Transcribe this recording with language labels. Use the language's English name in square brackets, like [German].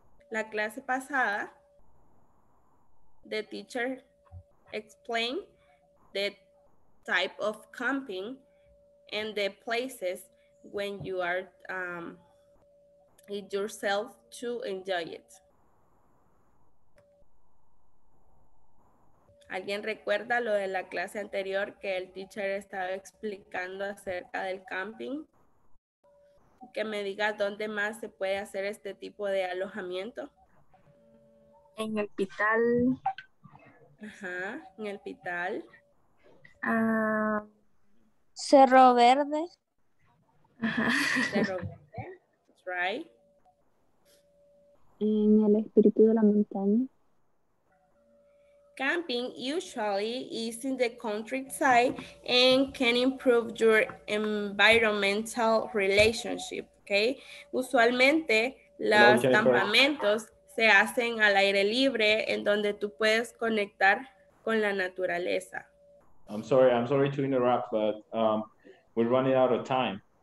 [Spanish] La clase pasada, [English] the teacher explained the type of camping and the places when you are it yourself to enjoy it. [Spanish] ¿Alguien recuerda lo de la clase anterior que el teacher estaba explicando acerca del camping? Que me diga dónde más se puede hacer este tipo de alojamiento. En el Pital. Ajá, en el Pital. Cerro Verde. Ajá. Cerro Verde, right. En el Espíritu de la Montaña. [English] Camping usually is in the countryside and can improve your environmental relationship. Okay, [Spanish] usualmente Los campamentos se hacen al aire libre en donde tú puedes conectar con la naturaleza. [English] I'm sorry to interrupt, but we're running out of time.